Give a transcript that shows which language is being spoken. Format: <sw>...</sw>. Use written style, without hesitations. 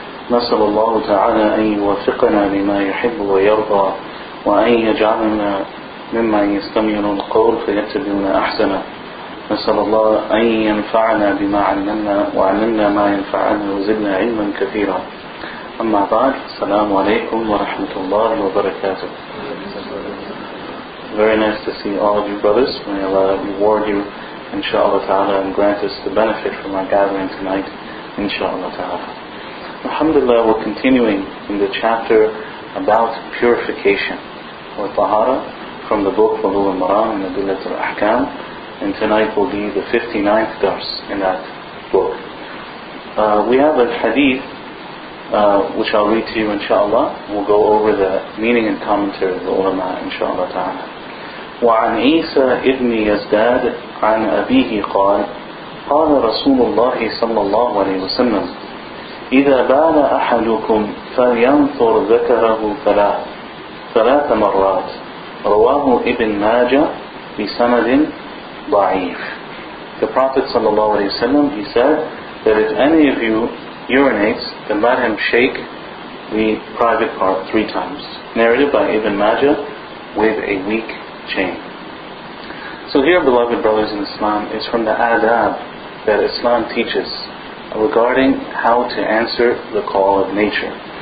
<ar>نسأل الله تعالى أن يوفقنا لما يحب ويرضى، وأن يجعلنا ممن يستمعون القول فيتبعون أحسنه. نسأل الله أن ينفعنا بما علمنا، وعلمنا ما ينفعنا، وزدنا علما كثيرا. أما بعد، السلام عليكم ورحمة الله وبركاته.</ar> <en>Very nice to see all of you brothers. May Allah reward you, inshaAllah ta'ala, and grant us the benefit from our gathering tonight, inshaAllah ta'ala. Alhamdulillah, we're continuing in the chapter about purification, or tahara, from the book Bulugh al-Maram and Adillat al-Ahkam, and tonight will be the 59th dars in that book. We have a hadith, which I'll read to you, inshaAllah. We'll go over the meaning and commentary of the ulama, inshaAllah ta'ala.</en> <ar>وعن عيسى ابن يزداد عن أبيه قال قال رسول الله صلى الله عليه وسلم إذا بال أحدكم فلينثر ذكره ثلاث مرات رواه ابن ماجه بسند ضعيف.</ar> <en>The Prophet</en> <ar>صلى الله عليه وسلم,</ar> <en>he said that if any of you urinates, then let him shake the private part three times. Narrated by Ibn Majah with a weak chain. So here, beloved brothers in Islam, is from the adab that Islam teaches regarding how to answer the call of nature.</en>